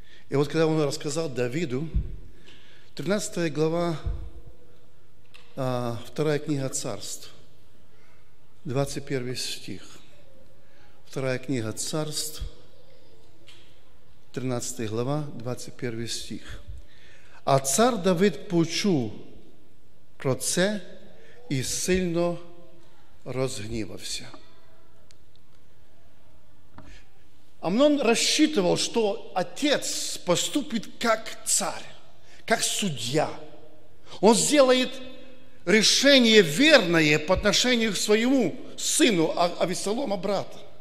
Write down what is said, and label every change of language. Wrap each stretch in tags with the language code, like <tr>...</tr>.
<ru>И вот когда он рассказал Давиду, 13 глава, 2 книга царств, 21 стих. 2 книга царств, 13 глава, 21 стих.</ru> <uk>А цар Давид почув про це и сильно розгнівався.</uk> <ru>Амнон рассчитывал, что отец поступит как царь, как судья. Он сделает решение верное по отношению к своему сыну Авессалома, брата.</ru>